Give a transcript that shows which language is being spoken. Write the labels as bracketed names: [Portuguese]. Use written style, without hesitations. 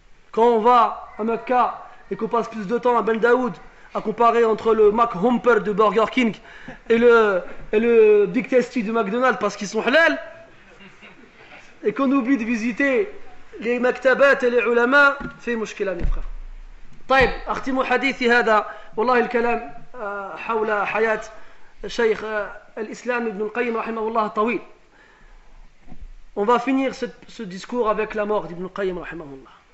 [French] Quand on va à Mecca et qu'on passe plus de temps à Ben Daoud à comparer entre le Mac Humper de Burger King et le Big Tasty de McDonald's parce qu'ils sont halal, et qu'on oublie de visiter les maktabat et les ulama, fait mushkila mes frères. [Arabic] طيب اختم حديثي هذا والله الكلام حول حياة شيخ الإسلام ابن القيم رحمه الله طويل. [French] On va finir ce discours avec la mort d'Ibn Qayyim رحمه الله.